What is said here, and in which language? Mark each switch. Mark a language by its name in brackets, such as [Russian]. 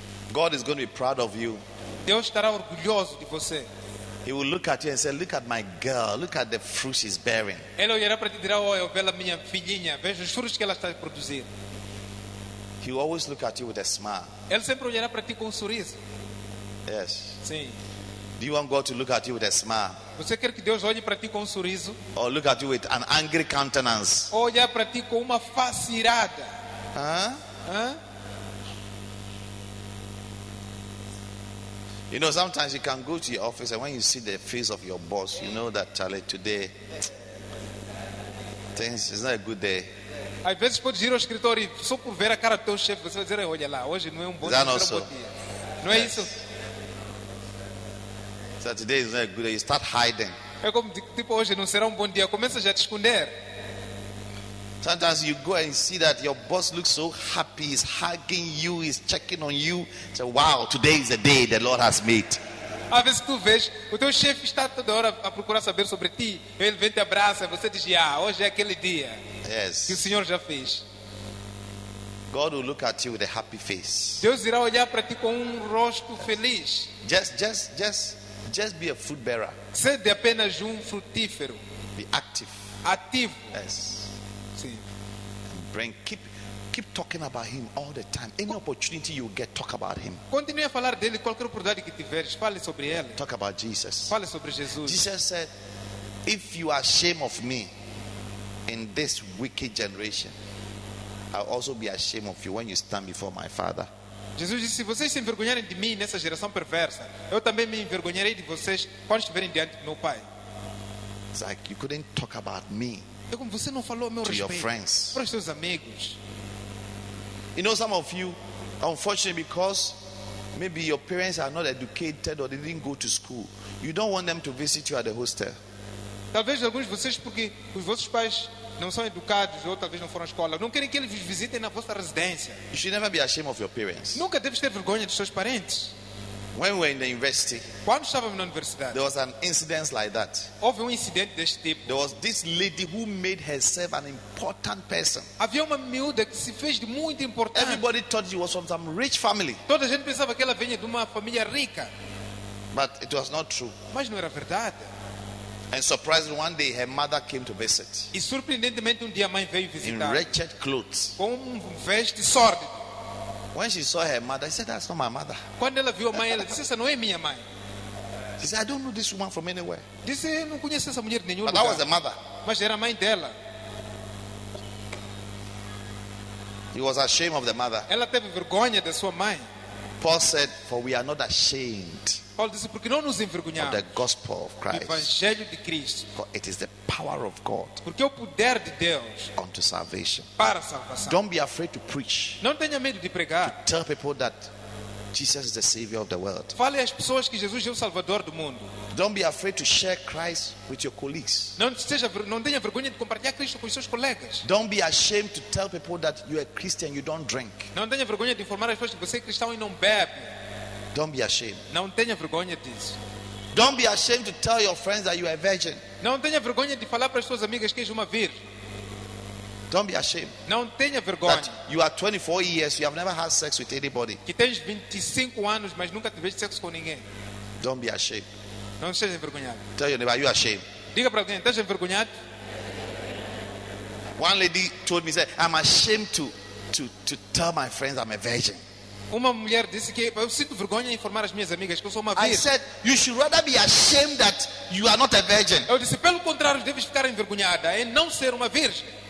[English] God is going to be proud of you. [Portuguese] Deus estará orgulhoso de você. [English] He will look at you and say, look at my girl, look at the fruit she's bearing. [Portuguese] Ele olhará para ti e dirá, olha, bela minha filhinha, veja os frutos que ela está a produzir. [English] He will always look at you with a smile. [Portuguese] Ele sempre olhará para ti com um sorriso. [English] Yes. [Portuguese] Sim. [English] Do you want God to look at you with a smile? [Portuguese] Você quer que Deus olhe para ti com um sorriso? [English] Or look at you with an angry countenance? [Portuguese] Ou olhar para ti com uma face irada? Hã? Hã? [English] You know, sometimes you can go to your office and when you see the face of your boss, you know that Charlie, today things is not a good day. [Portuguese] Às vezes pode ir ao escritório só por ver a cara do teu chefe, você vai dizer, olha lá, hoje não é bom dia. Não é isso? [English] So today is not a good day. You start hiding. [Portuguese] É como tipo hoje não será bom dia, começa já a te esconder. [English] Sometimes you go and see that your boss looks so happy, he's hugging you, he's checking on you. So wow, today is the day the Lord has made. [Portuguese] Às vezes tu vês, o teu chefe está toda hora a procurar saber sobre ti. Ele vem te abraça, você diz, ah, hoje é aquele dia. [English] Yes. [Portuguese] Que o Senhor já fez. [English] God will look at you with a happy face. [Portuguese] Deus irá olhar para ti com rosto feliz. [English] Just be a fruit bearer. [Portuguese] Sede apenas frutífero. [English] Be active. [Portuguese] Ativo. [English] Yes. [Portuguese] Sim. [English] Bring, keep talking about him all the time. Any opportunity you get, talk about him. [Portuguese] Continue a falar dele qualquer oportunidade que tiveres, fale sobre ele. [English] Talk about Jesus. [Portuguese] Fale sobre Jesus. [English] Jesus said, if you are ashamed of me in this wicked generation, I'll also be ashamed of you when you stand before my Father. [Portuguese] Jesus disse, se vocês se envergonharem de mim nessa geração perversa, eu também me envergonharei de vocês quando estiverem diante do meu Pai. [English] It's like you couldn't talk about me. [Portuguese] É como você não falou ao meu [English] to [Portuguese] respeito. [English] Your friends. [Portuguese] Para os seus amigos. [English] You know, some of you, unfortunately, because maybe your parents are not educated or they didn't go to school, you don't want them to visit you at the hostel. [Portuguese] Talvez alguns de vocês, porque os vossos pais não são educados ou talvez não foram à escola, não querem que eles vos visitem na vossa residência. [English] You should never be ashamed of your parents. [Portuguese] Nunca deves ter vergonha dos seus parentes. [English] When we were in the university, [Portuguese] quando estávamos na universidade, [English] there was an incident like that. [Portuguese] Houve incidente deste tipo. [English] There was this lady who made herself an important person. [Portuguese] Havia uma miúda que se fez de muito importante. [English] Everybody thought she was from some rich family. [Portuguese] Toda a gente pensava que ela vinha de uma família rica. [English] But it was not true. [Portuguese] Mas não era verdade. [English] And surprisingly, one day her mother came to visit. [Portuguese] E surpreendentemente dia a mãe veio visitar. [English] In wretched clothes. [Portuguese] Com veste sórdida. [English] When she saw her mother, she said, "That's not my mother." [Portuguese] Quando ela viu a mãe, ela disse, "Essa não é minha mãe." [English] She said, "I don't know this woman from anywhere." [Portuguese] Disse, "Não conheço essa mulher de nenhum [English] but [Portuguese] lugar." [English] But that was the mother. [Portuguese] Mas era a mãe dela. [English] He was ashamed of the mother. [Portuguese] Ela teve vergonha da sua mãe. [English] Paul said, "For we are not ashamed." [Portuguese] Paulo disse, "Porque não nos envergonhamos." [English] Of the gospel of Christ. [Portuguese] Do evangelho de Cristo. [English] For it is the power of God. [Portuguese] Porque é o poder de Deus. [English] Unto salvation. [Portuguese] Para salvação. [English] Don't be afraid to preach. [Portuguese] Não tenha medo de pregar. [English] To tell people that Jesus is the savior of the world. [Portuguese] Fale às pessoas que Jesus é o salvador do mundo. [English] Don't be afraid to share Christ with your colleagues. [Portuguese] Não tenha vergonha de compartilhar Cristo com os seus colegas. [English] Don't be ashamed to tell people that you are Christian, you don't drink. [Portuguese] Não tenha vergonha de informar as pessoas que você é cristão e não bebe. [English] Don't be ashamed. [Portuguese] Não tenha vergonha disso. [English] Don't be ashamed to tell your friends that you are a virgin. [Portuguese] Não tenha vergonha de falar para as suas amigas que és uma virgem. [English] Don't be ashamed. [Portuguese] Não tenha vergonha. [English] That you are 24 years, you have never had sex with anybody. [Portuguese] Que tens 25 anos, mas nunca tiveste sexo com ninguém. [English] Don't be ashamed. [Portuguese] Não seja envergonhado. [English] Tell your neighbor, are you ashamed? [Portuguese] Diga para alguém, estás envergonhado? [English] One lady told me, said, I'm ashamed to tell my friends I'm a virgin. [Portuguese] Uma mulher disse que eu sinto vergonha em informar as minhas amigas que eu sou uma virgem. [English] I said, you should rather be ashamed that you are not a virgin. [Portuguese] Eu disse, pelo contrário, deves ficar envergonhada em não ser uma virgem.